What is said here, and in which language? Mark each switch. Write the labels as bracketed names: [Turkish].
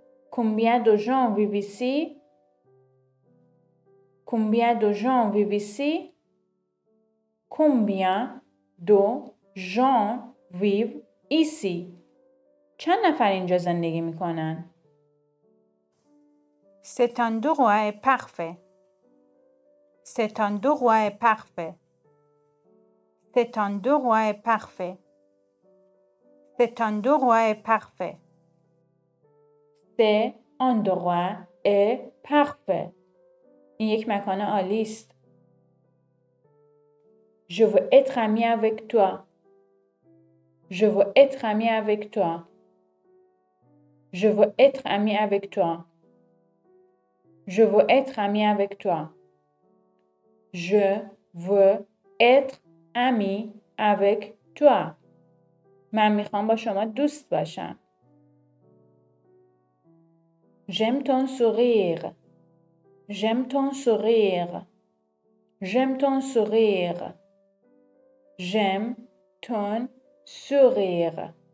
[French] Combien de gens vivent ici? Combien de gens vivent ici? Combien de gens vivent ici? [Persian] چند نفر اینجا زندگی میکنن؟ [French] C'est un endroit parfait. C'est un endroit parfait. C'est un endroit parfait. C'est un endroit parfait. C'est un endroit parfait. [Persian] این یک مکان عالی است. [French] Je veux être ami avec toi. Je veux être ami avec toi. Je veux être ami avec toi. Je veux être ami avec toi. Je veux être ami avec toi. [Persian] من میخوام با شما دوست باشم. [French] J'aime ton sourire. J'aime ton sourire. J'aime ton sourire. J'aime ton sourire.